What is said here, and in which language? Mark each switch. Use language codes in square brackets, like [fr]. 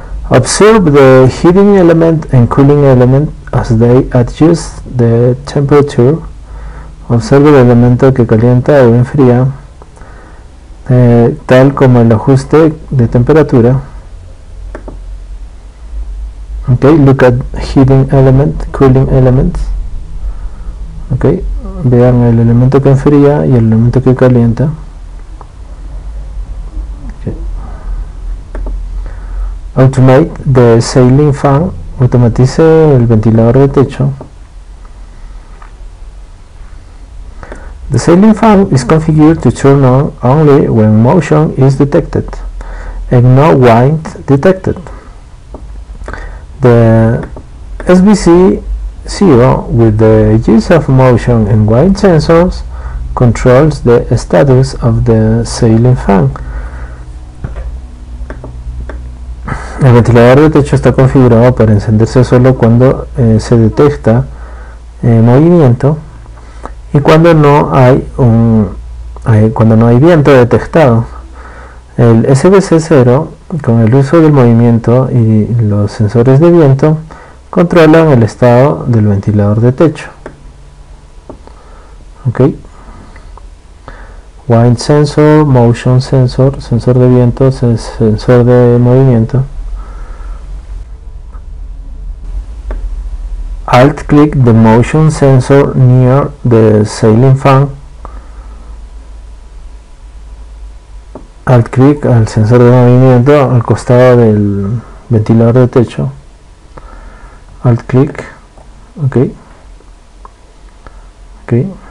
[en] Observe the heating element and cooling element as they adjust the temperature. [es] Observe el elemento que calienta o enfría, tal como el ajuste de temperatura. [en] Okay, look at heating element, cooling element. [es] Okay, vean el elemento que enfría y el elemento que calienta. [en] Okay. Automate the ceiling fan, [es] automatice el ventilador de techo. [en] The ceiling fan is configured to turn on only when motion is detected. and no wind detected. The SBC Zero, with the use of motion and wind sensors, controls the status of the sailing fan. [es] El ventilador de techo está configurado para encenderse solo cuando se detecta movimiento y cuando no hay viento detectado. El SBC0, con el uso del movimiento y los sensores de viento, controlan el estado del ventilador de techo. Okay. [en] Wind sensor, motion sensor, [es] sensor de viento, sensor de movimiento. [en] Alt click the motion sensor near the sailing fan. [es] Alt click al sensor de movimiento al costado del ventilador de techo. [en] Alt click. Okay. Okay.